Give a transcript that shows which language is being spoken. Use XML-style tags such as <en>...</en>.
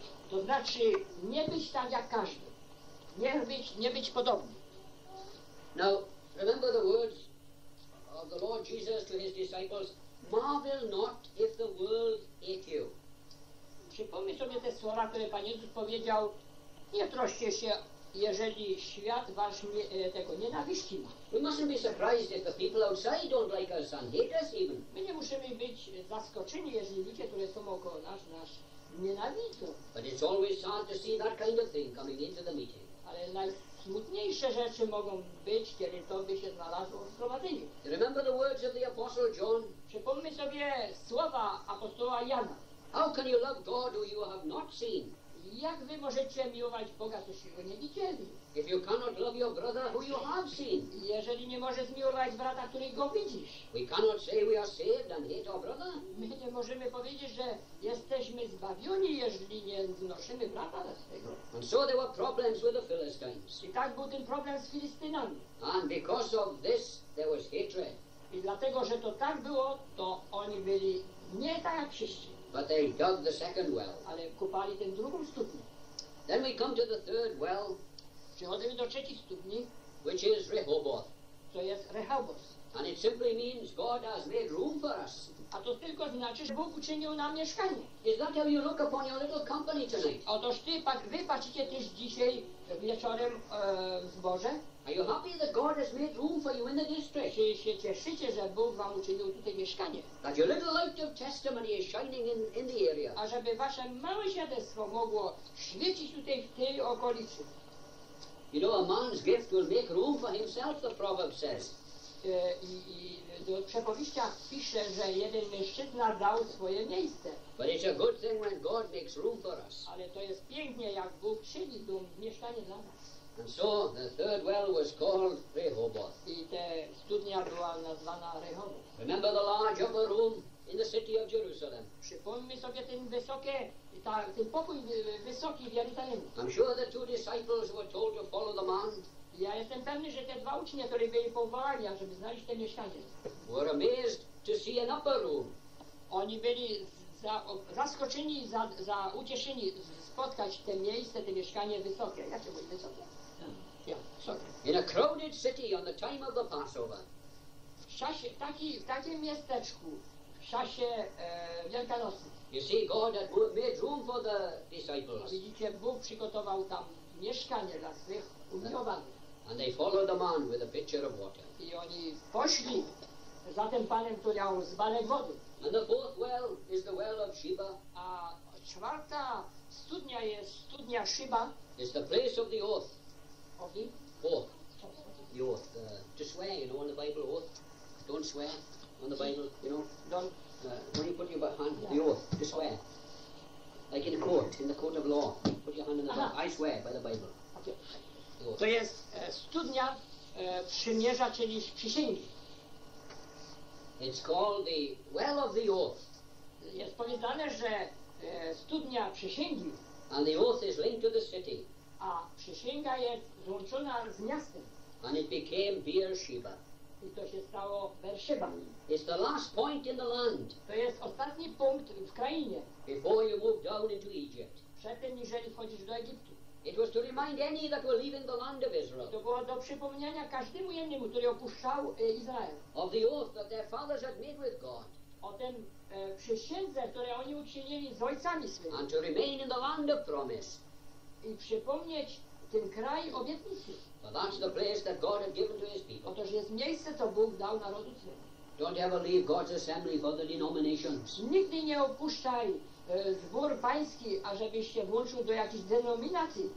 <pl>To znaczy nie być tak jak każdy. Nie być podobny.</pl> <en>Now, remember the words of the Lord Jesus to his disciples. Marvel not if the world hate you.</en> <pl>Przypomnij sobie te słowa, które Pan Jezus powiedział. Nie troszcie się, jeżeli świat wasz tego nienawiści ma.</pl> <en>We mustn't be surprised if the people outside don't like us and hate us even.</en> <pl>My nie musimy być zaskoczeni, jeżeli ludzie, które są około nas nienawidzą.</pl> <en>But it's always sad to see that kind of thing coming into the meeting.</en> <pl>Ale najsmutniejsze rzeczy mogą być, kiedy to by się znalazło w zgromadzeniu.</pl> <en>Remember the words of the apostle John.</en> <pl>Przypomnij sobie słowa apostoła Jana.</pl> <en>How can you love God who you have not seen?</en> <pl>Jak wy możecie miłować Boga, którego nie widzieli?</pl> <en>If you cannot love your brother who you have seen.</en> <pl>Jeżeli nie możesz miłować brata, który go widzisz.</pl> <en>We cannot say we are saved and hate our brother.</en> <pl>My nie możemy powiedzieć, że jesteśmy zbawieni, jeżeli nie znosimy brata z tego.</pl> <en>And so there were problems with the Philistines.</en> <pl>I tak był ten problem z Filistynami.</pl> <en>And because of this there was hatred.</en> <pl>I dlatego, że to tak było, to oni byli nie tak jak wszyscy.</pl> <en>But they dug the second well.</en> <pl>Ale kupali tę drugą studnię.</pl> <en>Then we come to the third well.</en> <pl>Przechodzimy do trzeciej studni.</pl> <en>Which is Rehoboth.</en> <pl>To jest Rehoboth.</pl> <en>And it simply means God has made room for us.</en> <pl>A to tylko znaczy, że Bóg uczynił nam mieszkanie.</pl> <en>Is that how you look upon your little company tonight?</en> <pl>Otoż ty, wy patrzycie też dzisiaj wieczorem w zborze.</pl> <en>Are you happy that God has made room for you in the district?</en> <pl>Czy się cieszycie, że Bóg wam uczynił tutaj mieszkanie?</pl> <en>That your little light of testimony is shining in the area.</en> <pl>A żeby wasze małe świadectwo mogło świecić tutaj w tej okolicy.</pl> <en>You know, a man's gift will make room for himself, the proverb says.</en> <pl>I do przepowiścia pisze, że jeden mężczyzna dał swoje miejsce.</pl> <en>But it's a good thing when God makes room for us.</en> <pl>Ale to jest pięknie, jak Bóg czyni dom mieszkanie dla nas.</pl> <en>And so the third well was called Rehoboth.</en> <pl>I ta studnia była nazwana Rehoboth.</pl> <en>Remember the large upper room in the city of Jerusalem.</en> <pl>Przypomnij sobie ten pokój wysoki w Jerozolimie.</pl> <en>I'm sure the two disciples were told to follow the man.</en> <pl>Ja jestem pewny, że te dwa ucznie, które byli powołani, żeby znaleźć te mieszkanie.</pl> <en>Were amazed to see an upper room.</en> <pl>Oni byli zaskoczeni, ucieszeni spotkać te miejsce, te mieszkanie wysokie. Jakie były wysokie?</pl> <en>In a crowded city on the time of the Passover.</en> <pl>W takim miasteczku, w czasie Wielkanocy.</pl> <en>You see, God had made room for the disciples.</en> <pl>Widzicie, Bóg przygotował tam mieszkanie dla swych umiłowanych.</pl> <en>And they followed the man with a pitcher of water.</en> <pl>I oni poszli za tym panem, który miał zbanek wody.</pl> <en>And the fourth well is the well of Sheba.</en> <pl>A czwarta studnia jest studnia Sheba.</pl> <en>It's the place of the oath. Okay. Oath. The oath. To swear, you know, in the Bible, oath. Don't swear on the Bible, you know. Don't. When you put your hand, yeah. The oath, to swear. Like in the court of law. Put your hand in the Bible. I swear by the Bible. Okay.</en> <pl>The to jest studnia przymierza, czyli przysięgi.</pl> <en>It's called the well of the oath.</en> <pl>Jest powiedziane, że studnia przysięgi.</pl> <en>And the oath is linked to the city.</en> <pl>A przysięga jest złączona z miastem.</pl> <en>And it became Beersheba.</en> <pl>I to się stało Beersheba.</pl> <en>It's the last point in the land.</en> <pl>To jest ostatni punkt w krainie.</pl> <en>Before you move down into Egypt.</en> <pl>Przedtem, jeżeli wchodzisz do Egiptu.</pl> <en>It was to remind any that were leaving the land of Israel.</en> <pl>To było do przypomnienia każdemu jednemu, który opuszczał Izrael.</pl> <en>Of the oath that their fathers had made with God.</en> <pl>O tym przysiędze, które oni uczynili z ojcami swymi.</pl> <en>And to remain in the land of promise.</en> <pl>I przypomnieć ten kraj obietnicy.</pl> <en>But that's the place that God had given to his people.</en> <pl>Otóż jest miejsce, co Bóg dał narodu swemu.</pl> <en>Don't ever leave God's assembly for the denominations.</en> <pl>Nigdy nie opuszczaj zbór pański, ażebyś się włączył do jakiejś denominacji.</pl>